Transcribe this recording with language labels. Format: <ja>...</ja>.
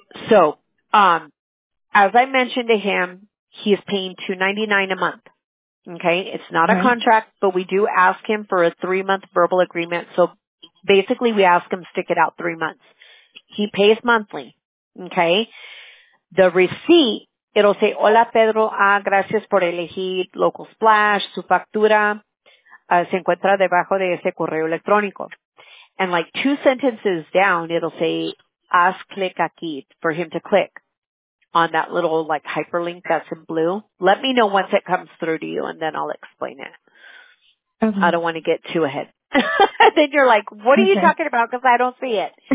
<en>So, as I mentioned to him, he is paying $299 a month, okay? It's not a contract, but we do ask him for a three-month verbal agreement. So basically, we ask him to stick it out 3 months. He pays monthly, okay? The receipt It'll say,</en> <es>hola, Pedro. Ah, gracias por elegir Local Splash. Su factura se encuentra debajo de ese correo electrónico.</es> <en>And like two sentences down, it'll say,</en> <es>haz click aquí,</es> <en>for him to click on that little like hyperlink that's in blue. Let me know once it comes through to you, and then I'll explain it. Okay. I don't want to get too ahead. Then you're like, what are you talking about? Because I don't see it.</en>